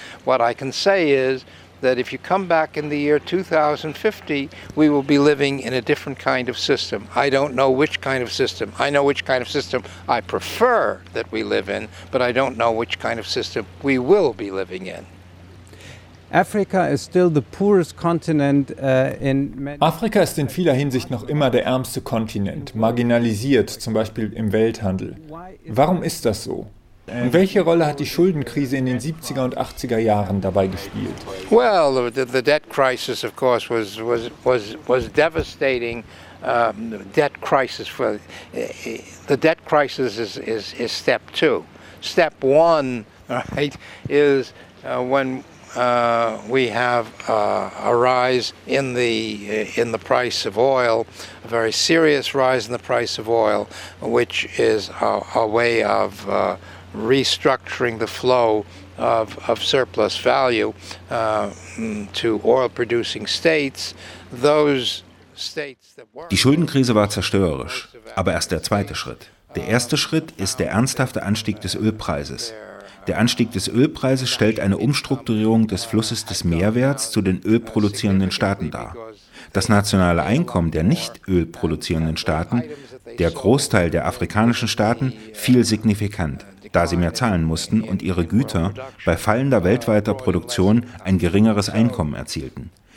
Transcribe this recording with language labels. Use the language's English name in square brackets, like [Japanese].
[English] What I can say is, that if you come back in the year 2050, we will be living in a different kind of system. I don't know which kind of system. I know which kind of system I prefer that we live in, but I don't know which kind of system we will be living in. Africa is still the poorest continent in many. [German] Afrika ist in vieler Hinsicht noch immer der ärmste Kontinent, marginalisiert, zum Beispiel im Welthandel. Warum ist das so? Und welche Rolle hat die Schuldenkrise in den 70er und 80er Jahren dabei gespielt? [English] Well, the debt crisis of course was devastating. Debt crisis for the debt crisis is step 2. Step 1, right, is when we have a rise in the price of oil, a very serious rise in the price of oil, which is a way of restructuring the flow of surplus value to oil producing states, those states that were. [German] Die Schuldenkrise war zerstörerisch, aber erst der zweite Schritt. Der erste Schritt ist der ernsthafte Anstieg des Ölpreises. Der Anstieg des Ölpreises stellt eine Umstrukturierung des Flusses des Mehrwerts zu den ölproduzierenden Staaten dar. Das nationale Einkommen der nicht ölproduzierenden Staaten, der Großteil der afrikanischen Staaten, fiel signifikant, da sie mehr zahlen mussten und ihre Güter bei fallender weltweiter Produktion ein geringeres Einkommen erzielten.